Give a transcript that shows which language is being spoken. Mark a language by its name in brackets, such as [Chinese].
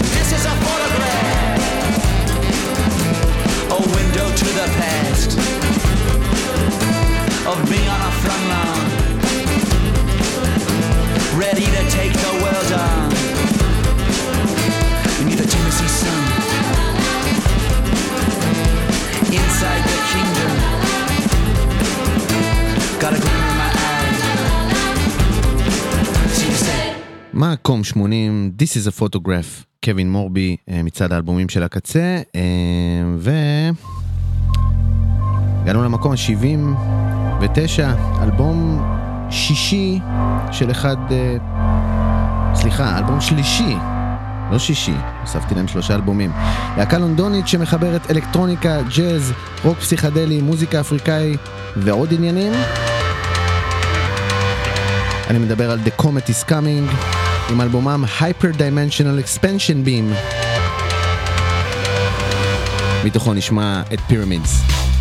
[English] This is a photograph. A window to the past, of me on a front line, ready to take the world on beneath the Tennessee sun, inside the kingdom. Got a glimmer in my eye. See you say. [Hebrew] מקום 80, This is a photograph. קווין מורבי מצד האלבומים של הקצה, ו הגענו למקום ה-79, אלבום שישי של אחד, סליחה, אלבום שלישי, לא שישי, הוספתי להם שלושה אלבומים, להקה לונדונית שמחברת אלקטרוניקה, ג'אז, רוק פסיכדלי, מוזיקה אפריקאי ועוד עניינים. אני מדבר על The Comet is Coming, עם אלבומם Hyper-Dimensional Expansion Beam. מתוכו נשמע את Pyramids.